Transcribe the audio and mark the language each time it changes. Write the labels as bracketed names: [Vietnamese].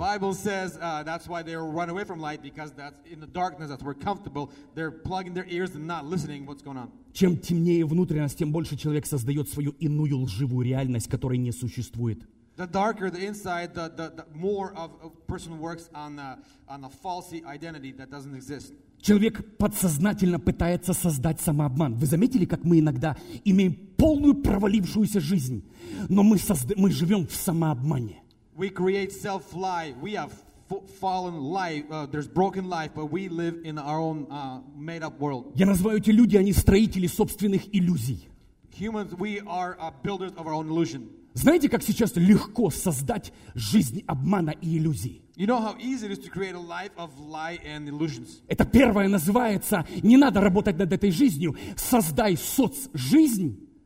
[English] Bible says that's why they run away from light because that's in the darkness, that's where comfortable. They're plugging their ears and not listening what's going on. [Russian] Чем темнее внутренность, тем больше человек создает свою иную лживую реальность, которая не существует. [English] The darker the inside, the more of a person works on a false identity that doesn't exist. [Russian] Человек подсознательно пытается создать самообман. Вы заметили, как мы иногда имеем полную провалившуюся жизнь, но мы живем в самообмане. [English] We create self-lie. We have fallen life. There's broken life, but we live in our own made-up world. [Russian] Я называю эти люди, они строители собственных иллюзий. [English] Humans, we are builders of our own illusion. [Russian] Знаете, как сейчас легко создать жизнь обмана и иллюзий? [English] You know how easy it is to create a life of lie and illusions. [Russian] Это первое называется, не надо работать над этой жизнью, создай соцжизнь.